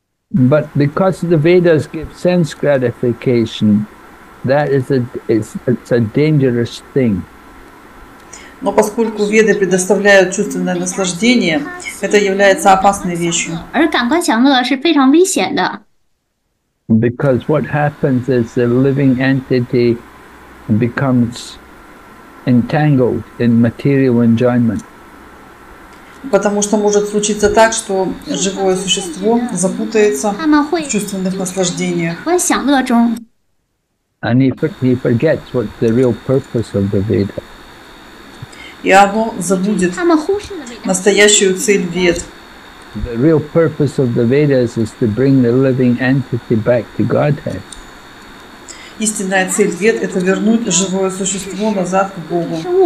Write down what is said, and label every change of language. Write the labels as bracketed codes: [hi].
[en] But because the Vedas give sense gratification, that is it's a dangerous thing. [ru] Но поскольку веды предоставляют чувственное наслаждение, это является опасной вещью. [en] Because what happens is the living entity becomes entangled in material enjoyment. [ru] Потому что может случиться так, что живое существо запутается в чувственных наслаждениях. [en] And he forgets what's the real purpose of the Veda. [ru] И оно забудет настоящую цель Вед. [en] The real purpose of the Vedas is to bring the living entity back to Godhead. [ru] Истинная цель Вед – это вернуть живое существо назад к Богу.